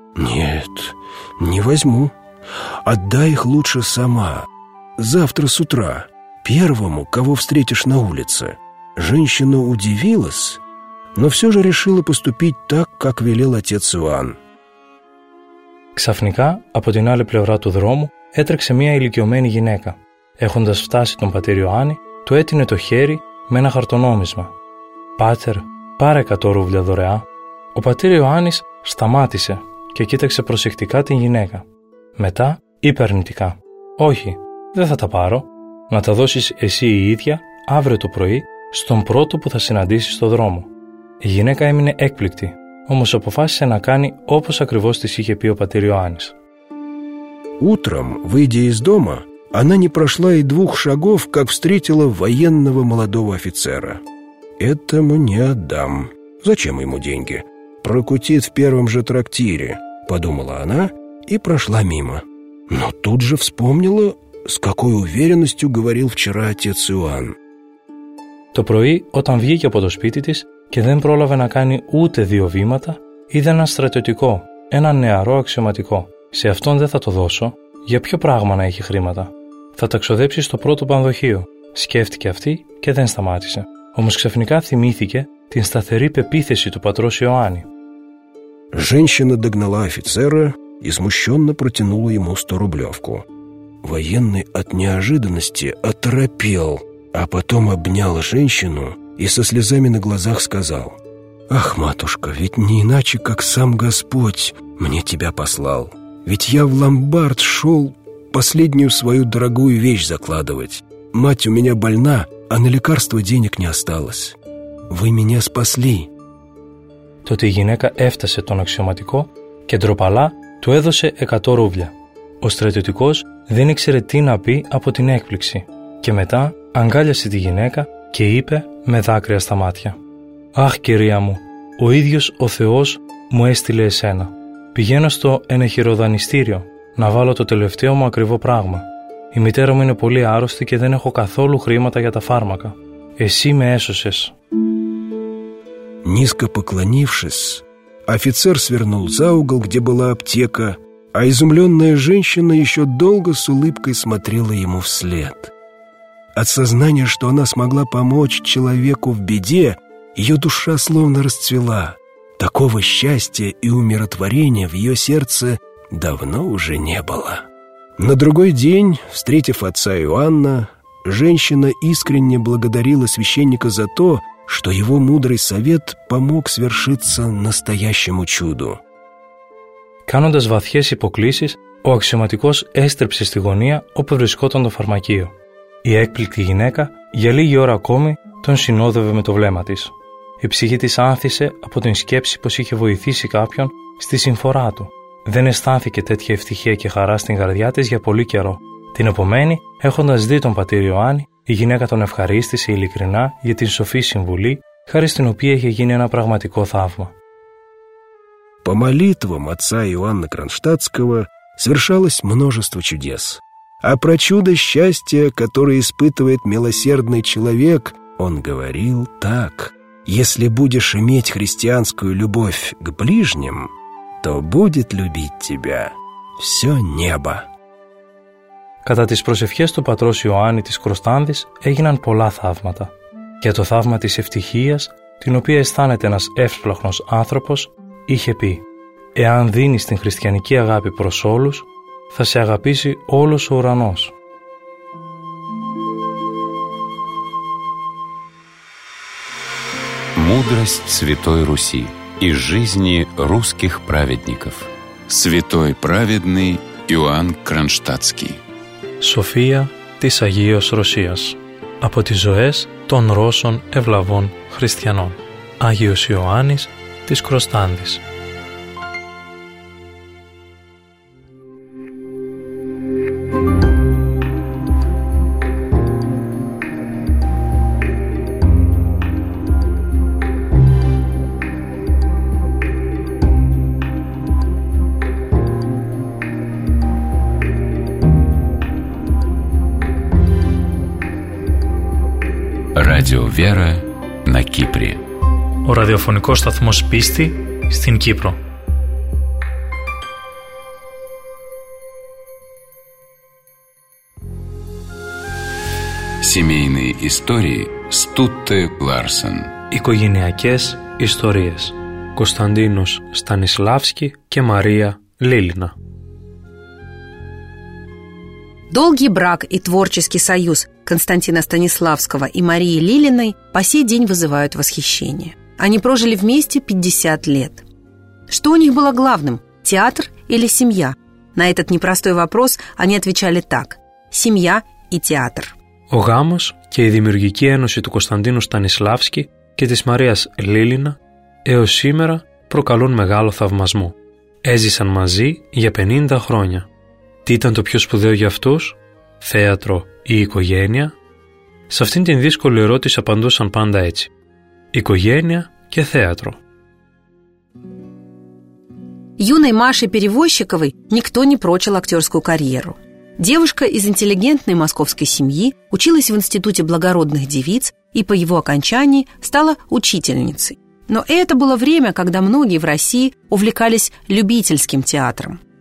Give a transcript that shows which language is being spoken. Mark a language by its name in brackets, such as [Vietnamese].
[Russian] «Нет, не возьму. Отдай их лучше сама. Завтра с утра первому, кого встретишь на улице». Женщина удивилась, но все же решила поступить так, как велел отец Иоанн. [Greek] Ξαφνικά, από την άλλη πλευρά του δρόμου, έτρεξε μια ηλικιωμένη γυναίκα. Έχοντας φτάσει τον πατήρ Ιωάννη, του έτεινε το χέρι με ένα χαρτονόμισμα. «Πάτερ, πάρε 100 ρούβλια δωρεά». Ο πατήρ Ιωάννης σταμάτησε και κοίταξε προσεκτικά την γυναίκα. Μετά είπε αρνητικά: «Όχι, δεν θα τα πάρω. Να τα δώσεις εσύ η ίδια αύριο το πρωί στον πρώτο που θα συναντήσει στο δρόμο». Η γυναίκα έμεινε έκπληκτη, όμως αποφάσισε να κάνει όπως ακριβώς της είχε πει ο πατήρ Ιωάννης. [Russian] Утром, выйдя из дома, она не прошла и 2 шагов, как встретила военного молодого офицера. «Этому не отдам. Зачем ему деньги? Прокутит в первом же трактире», — подумала она и прошла мимо. Но тут же вспомнила, с какой уверенностью говорил вчера отец Иоанн. [Greek] Το πρωί, όταν βγήκε από το σπίτι της και δεν πρόλαβε να κάνει ούτε 2 βήματα, είδε ένα στρατιωτικό, ένα νεαρό αξιωματικό. «Σε αυτόν δεν θα το δώσω. Για ποιο πράγμα να έχει χρήματα? Θα τα ξοδέψει στο πρώτο πανδοχείο», σκέφτηκε αυτή και δεν σταμάτησε. Όμως ξαφνικά θυμήθηκε την σταθερή πεποίθηση του πατρός Ιωάννη. [Russian] Женщина догнала офицера и смущенно протянула ему 100 рублевку. Военный от неожиданности оторопел, а потом обнял женщину и со слезами на глазах сказал: «Ах, матушка, ведь не иначе, как сам Господь мне тебя послал. Ведь я в ломбард шел последнюю свою дорогую вещь закладывать. Мать у меня больна, а на лекарство денег не осталось. Вы меня спасли». [Greek] Тоте γυναίκα έφτασε τον αξιωματικό και ντροπαλά του έδωσε 100 ρούβλια. Ο στρατιωτικός δεν ήξερε τι να πει από την έκπληξη και μετά αγκάλιασε τη γυναίκα και είπε με δάκρυα στα μάτια: «Αχ, κυρία μου, ο ίδιος ο Θεός μου έστειλε εσένα. Πηγαίνω στο ενεχειροδανειστήριο να βάλω το τελευταίο μου ακριβό πράγμα. Η μητέρα μου είναι πολύ άρρωστη και δεν έχω καθόλου χρήματα για τα φάρμακα. Εσύ με έσωσες». [Russian] Низко поклонившись, офицер свернул за угол, где была аптека, а изумленная женщина еще долго с улыбкой смотрела ему вслед. От сознания, что она смогла помочь человеку в беде, ее душа словно расцвела. Такого счастья и умиротворения в ее сердце давно уже не было. На другой день, встретив отца Иоанна, женщина искренне благодарила священника за то, что его мудрый совет помог свершиться настоящему чуду. [Greek] Κάνοντας βαθιές υποκλήσεις, ο αξιωματικός έστρεψε στη γωνία όπου βρισκόταν το φαρμακείο. Η έκπληκτη γυναίκα, για λίγη ώρα ακόμη, τον συνόδευε με το βλέμμα της. Η ψυχή της άνθησε από την σκέψη πως είχε βοηθήσει κάποιον στη συμφορά του. Δεν αισθάνθηκε τέτοια ευτυχία και χαρά στην καρδιά της για πολύ καιρό. Την επομένη, έχοντας δει τον πατήρ Ιωάννη, η γυναίκα τον ευχαρίστησε ειλικρινά για την σοφή συμβουλή, χάρη στην οποία είχε γίνει ένα πραγματικό θαύμα. [Russian] По молитвам отца Иоанна Кронштадтского совершалось множество чудес. А про чудо счастья, которое испытывает милосердный человек, он говорил так: «Если будешь иметь христианскую любовь к ближним, то будет любить тебя все небо». [Greek] Κατά τις προσευχές του πατρός Ιωάννη της Κροστάνδης έγιναν πολλά θαύματα. Και το θαύμα της ευτυχίας, την οποία αισθάνεται ένας εύπλοχνος άνθρωπος, είχε πει: «Εάν δίνεις την χριστιανική αγάπη προς όλους, θα σε αγαπήσει όλος ο ουρανός». [Russian] Мудрость Святой Руси и жизни русских праведников. Святой праведный Иоанн Кронштадтский. [Greek] Σοφία της Αγίας Ρωσίας. Από τις ζωές των Ρώσων ευλαβών χριστιανών. Άγιος Ιωάννης της Κροστάνδης. [Russian] Радио Вера на Кипре. [Greek] Ο ραδιοφωνικός σταθμός Πίστη στην Κύπρο. [Russian] Семейные истории Стутте Ларсен. [Greek] Οικογενειακές ιστορίες. Κωνσταντίνος Στανισλάβσκι και Μαρία Λίλινα. [Russian] Долгий брак и творческий союз Константина Станиславского и Марии Лилиной по сей день вызывают восхищение. Они прожили вместе 50 лет. Что у них было главным – театр или семья? На этот непростой вопрос они отвечали так – семья и театр. [Greek] Ο γάμος και η δημιουργική ένωση του Κωνσταντίνου Στανισλάβσκη και της Μαρίας Λίλινα έως σήμερα προκαλούν μεγάλο θαυμασμό. Έζησαν μαζί για 50 χρόνια. Τι ήταν το πιο σπουδαίο για αυτούς? Θέατρο ή οικογένεια? Σε αυτήν την δύσκολη ερώτηση απαντούσαν πάντα έτσι: οικογένεια και θέατρο. [Russian] Юной Маше Перевозчиковой никто не прочил актерскую карьеру. Девушка из интеллигентной московской семьи училась в Институте благородных девиц и по его окончании стала учительницей. Но это было время, когда многие в России увлекались любительским театром.